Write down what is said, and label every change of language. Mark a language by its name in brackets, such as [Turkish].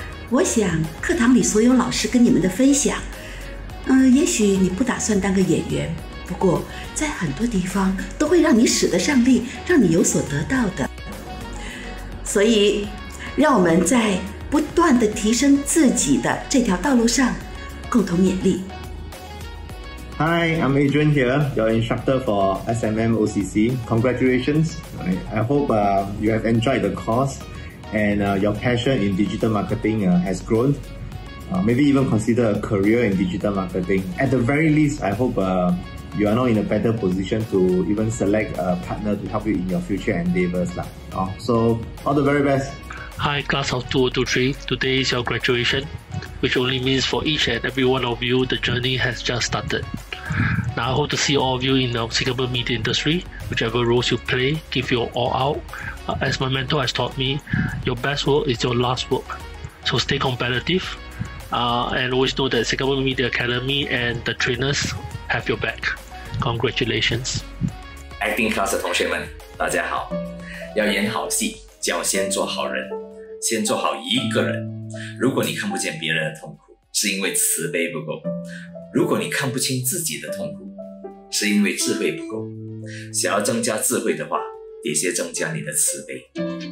[Chinese] 我想课堂里所有老师跟你们的分享，也许你不打算当个演员，不过在很多地方都会让你使得上力，让你有所得到的。所以让我们在不断地提升自己的这条道路上共同勉励。 [English] Hi, I'm Adrian here, your instructor for SMM OCC. Congratulations. I hope you have enjoyed the course and your passion in digital marketing has grown. Maybe even consider a career in digital marketing. At the very least, I hope you are now in a better position to even select a partner to help you in your future endeavors. So all the very best. Hi, class of 2023. Today is your graduation, which only means for each and every one of you, the journey has just started. Now, I hope to see all of you in the Singapore media industry, whichever roles you play, give your all out. As my mentor has taught me, your best work is your last work. So stay competitive and always know that Singapore Media Academy and the trainers have your back. Congratulations. [Chinese] Acting class 的同学们，大家好。要演好戏，就要先做好人，先做好一个人。如果你看不见别人的痛苦，是因为慈悲不够。如果你看不清自己的痛苦，是因为智慧不够。想要增加智慧的话，也先增加你的慈悲。